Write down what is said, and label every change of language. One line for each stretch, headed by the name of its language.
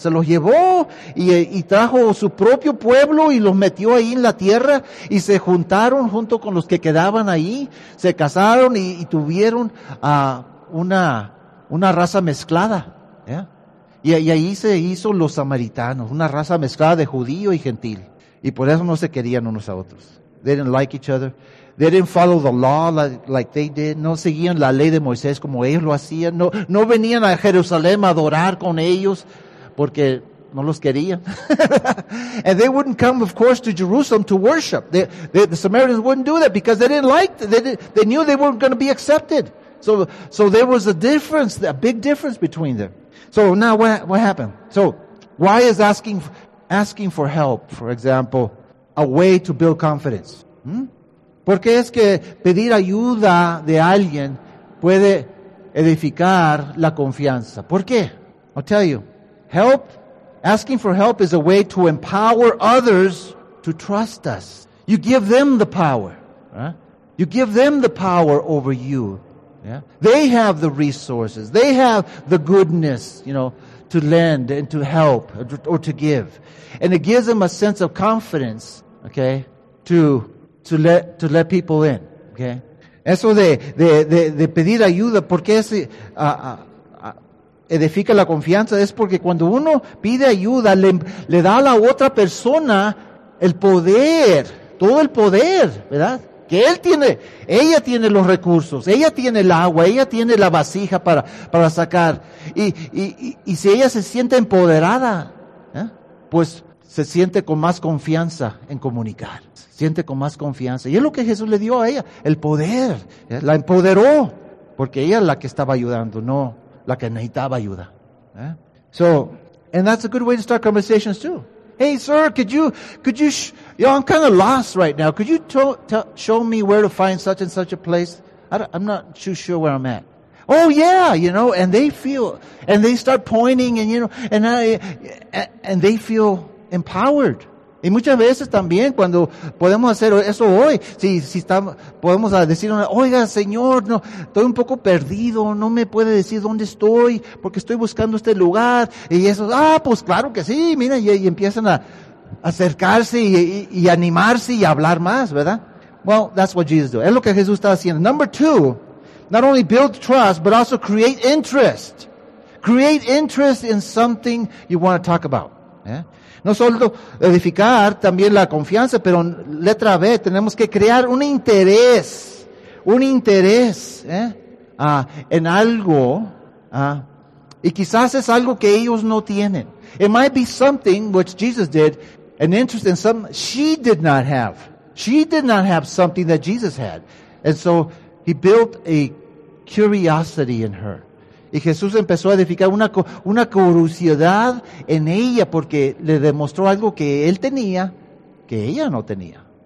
Spanish: Se los llevó y trajo su propio pueblo y los metió ahí en la tierra y se juntaron junto con los que quedaban ahí. Se casaron y tuvieron una raza mezclada. Yeah. Y ahí se hizo los samaritanos, una raza mezclada de judío y gentil. Y por eso no se querían unos a otros.
English: They didn't like each other. They didn't follow the law like they did.
Spanish: No seguían la ley de Moisés como ellos lo hacían. No venían a Jerusalén a adorar con ellos porque no los querían.
English: And they wouldn't come, of course, to Jerusalem to worship. The Samaritans wouldn't do that because they didn't like, they knew they weren't going to be accepted. So there was a difference, a big difference between them. So now what happened? So why is asking for help, for example, a way to build confidence.
Spanish: Porque es que pedir ayuda de alguien puede edificar la confianza. ¿Por qué?
English: I'll tell you. Help, asking for help is a way to empower others to trust us. You give them the power. You give them the power over you. Yeah. They have the resources. They have the goodness, you know, to lend and to help or to give. And it gives them a sense of confidence, okay, to let people in, okay?
Spanish: Eso de pedir ayuda, ¿por qué se edifica la confianza? Es porque cuando uno pide ayuda, le da a la otra persona el poder, todo el poder, ¿verdad? Que él tiene, ella tiene los recursos, ella tiene el agua, ella tiene la vasija para sacar. Y si ella se siente empoderada, pues se siente con más confianza en comunicar. Siente con más confianza. Y es lo que Jesús le dio a ella, el poder. La empoderó, porque ella es la que estaba ayudando, no la que necesitaba ayuda.
English: So, and that's a good way to start conversations too. Hey, sir, I'm kind of lost right now. Could you show me where to find such and such a place? I'm not too sure where I'm at. Oh, yeah, you know, and they start pointing, and, you know, and they feel empowered.
Spanish: Y muchas veces también cuando podemos hacer eso hoy, si estamos, podemos decir, oiga, señor, no, estoy un poco perdido, no me puede decir dónde estoy, porque estoy buscando este lugar. Y eso, pues claro que sí, mira, y empiezan a acercarse y animarse y hablar más, ¿verdad?
English: Well, that's what Jesus does.
Spanish: Es lo que Jesús está haciendo.
English: Number two, not only build trust, but also create interest. Create interest in something you want to talk about. ¿Eh?
Spanish: No solo edificar también la confianza, pero letra B, tenemos que crear un interés en algo, y quizás es algo que ellos no tienen.
English: It might be something which Jesus did, an interest in something she did not have. She did not have something that Jesus had. And so he built a curiosity in her.
Spanish: Y Jesús empezó a edificar una curiosidad en ella porque le demostró algo que él tenía, que ella no tenía.